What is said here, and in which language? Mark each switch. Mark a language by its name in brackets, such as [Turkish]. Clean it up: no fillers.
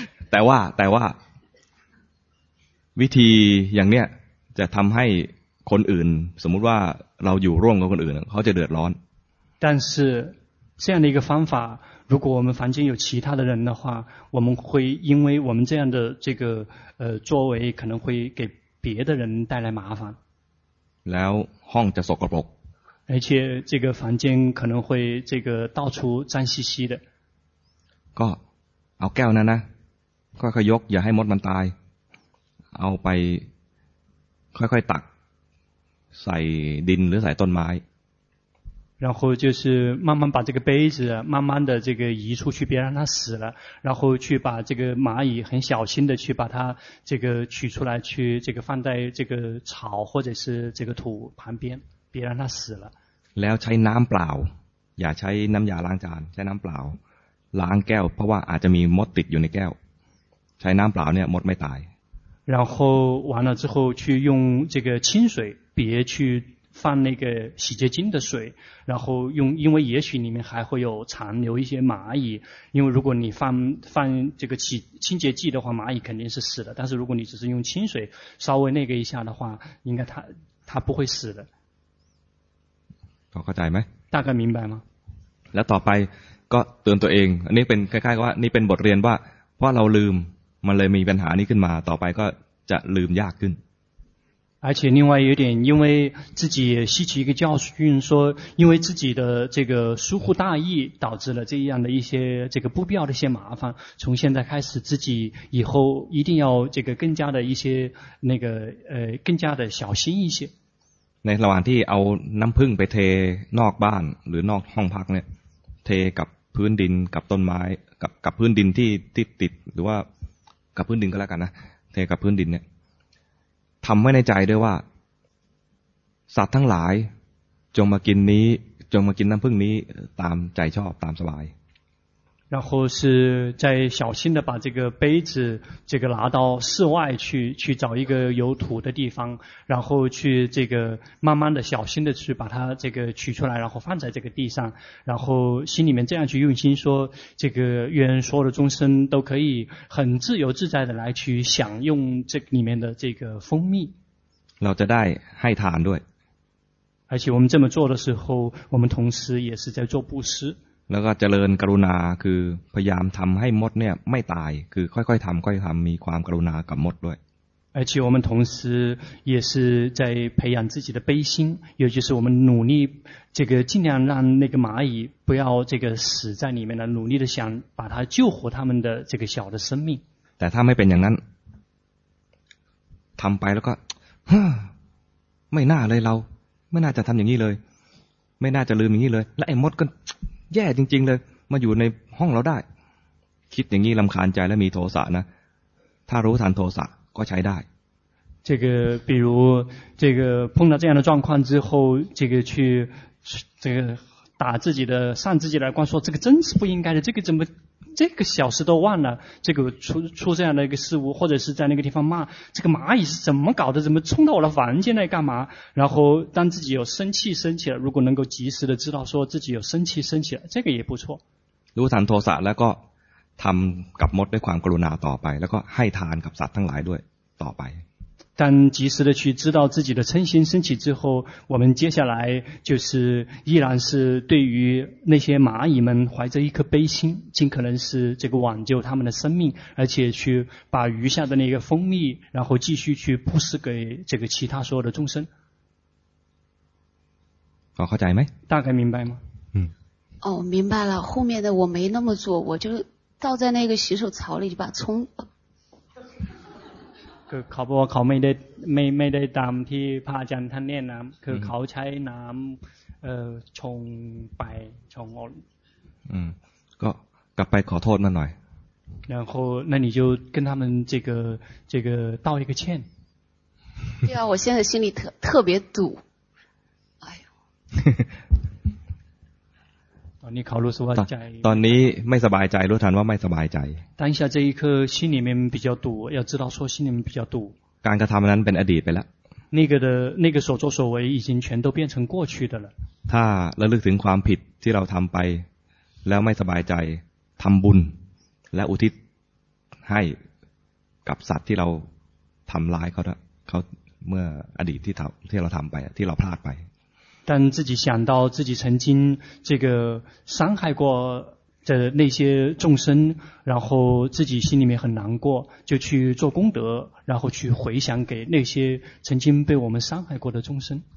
[Thai] แต่ว่าวิธีอย่างเนี้ยจะทําให้คนอื่นสมมุติว่าเราอยู่ร่วมกับคนอื่นเขาจะเดือดร้อน。 [Chinese] 但是这样的一个方法如果我们房间有其他的人的话我们会因为我们这样的这个作为可能会给别的人带来麻烦 [Thai] แล้วห้องจะสกปรก [Chinese] 而且这个房间可能会这个到处脏兮兮的 [Thai] ก็เอาแก้วนั้นนะค่อยๆยกอย่าให้มดมันตายเอาไปค่อยๆตักใส่ดินหรือใส่ต้นไม้ [Chinese] 然后就是慢慢把这个杯子慢慢的这个移出去别让它死了然后去把这个蚂蚁很小心的去把它这个取出来去这个放在这个草或者是这个土旁边别让它死了 [Thai] แล้วใช้น้ำเปล่าอย่าใช้น้ำยาล้างจานใช้น้ำเปล่าล้างแก้วเพราะว่าอาจจะมีมดติดอยู่ในแก้ว ใช้น้ำเปล่าเนี่ยมดไม่ตาย [Chinese] 然后完了之后去用这个清水别去放那个洗洁精的水然后用因为也许里面还会有残留一些蚂蚁因为如果你放这个清洁剂的话蚂蚁肯定是死的但是如果你只是用清水稍微那个一下的话应该它不会死的 [Thai] เข้าใจไหม [Chinese] 大概明白吗 [Thai] แล้วต่อไปก็เตือนตัวเองอันนี้เป็นคล้ายๆว่านี่เป็นบทเรียนว่าเพราะเราลืมมันเลยมีปัญหานี้ขึ้นมาต่อไปก็จะลืมยากขึ้น [Chinese] 而且另外有点因为自己也吸取一个教训说因为自己的这个疏忽大意导致了这样的一些这个不必要的一些麻烦从现在开始自己以后一定要这个更加的一些那个更加的小心一些 [Thai] ในระหว่างที่เอาน้ำผึ้งไปเทนอกบ้านหรือนอกห้องพักเนี่ยเทกับพื้นดินกับต้นไม้กับพื้นดินที่ติดหรือว่ากับพื้นดินก็แล้วกันนะเทกับพื้นดินเนี่ยทำไว้ในใจด้วยว่าสัตว์ทั้งหลายจงมากินนี้จงมากินน้ำผึ้งนี้ตามใจชอบตามสบาย [Chinese] 然后是在小心的把这个杯子这个拿到室外去找一个有土的地方然后去这个慢慢的小心的去把它这个取出来然后放在这个地上然后心里面这样去用心说这个愿所有的众生都可以很自由自在的来去享用这里面的这个蜂蜜 [Thai] เราจะได้ให้ทานด้วย [Chinese] 而且我们这么做的时候我们同时也是在做布施 [Thai] แล้วก็เจริญกรุณาคือพยายามทำให้มดเนี่ยไม่ตายคือค่อยๆทำค่อยทำมีความกรุณากับมดด้วย [Chinese] 而且我们同时也是在培养自己的悲心，尤其是我们努力这个尽量让那个蚂蚁不要这个死在里面的，努力的想把它救活他们的这个小的生命。 [Thai] แต่ถ้าไม่เป็นอย่างนั้นทำไปแล้วก็ไม่น่าเลยเราไม่น่าจะทำอย่างนี้เลยไม่น่าจะลืมอย่างนี้เลยและไอ้มดก็แย่จริงๆเลยมาอยู่ในห้องเราได้คิดอย่างนี้รำคาญใจและมีโทสะนะถ้ารู้ทันโทสะก็ใช้ได้ [Chinese] 这个比如这个碰到这样的状况之后这个去这个打自己的扇自己的耳光说这个真是不应该的这个怎么这个小事都忘了这个出这样的一个事物或者是在那个地方骂这个蚂蚁是怎么搞的怎么冲到我的房间来干嘛然后当自己有生气生起了如果能够及时的知道说自己有生气生起了这个也不错 [Thai] รู้ทันโทสะแล้วก็ทำกับมดด้วยความกรุณาต่อไปแล้วก็ให้ทานกับสัตว์ทั้งหลายด้วยต่อไป [Chinese] 但及时的去知道自己的嗔心升起之后我们接下来就是依然是对于那些蚂蚁们怀着一颗悲心尽可能是这个挽救他们的生命而且去把余下的那个蜂蜜然后继续去布施给这个其他所有的众生好好讲没大概明白吗嗯哦明白了后面的我没那么做我就倒在那个洗手槽里就把葱 [Thai] คือเขาบอกว่าเขาไม่ได้ตามที่พระอาจารย์ท่านแนะนำคือเขาใช้น้ำชงไปชงอ่อน ก็กลับไปขอโทษมาหน่อย 然后那你就跟他们这个道一个歉 [Chinese] 对啊我现在心里特别堵哎呦 [Thai] ตอนนี้เขารู้สึกว่าใจ ตอนนี้ไม่สบายใจรู้ทันว่าไม่สบายใจ [Chinese] 当下这一刻心里面比较堵要知道说心里面比较堵 [Thai] การกระทำนั้นเป็นอดีตไปแล้ว [Chinese] 那个所作所为已经全都变成过去的了 [Thai] ถ้าระลึกถึงความผิดที่เราทำไปแล้วไม่สบายใจทำบุญและอุทิศให้กับสัตว์ที่เราทำร้ายเขาเมื่ออดีตที่เราทำไปที่เราพลาดไป [Chinese] 但自己想到自己曾经这个伤害过的那些众生然后自己心里面很难过就去做功德然后去回想给那些曾经被我们伤害过的众生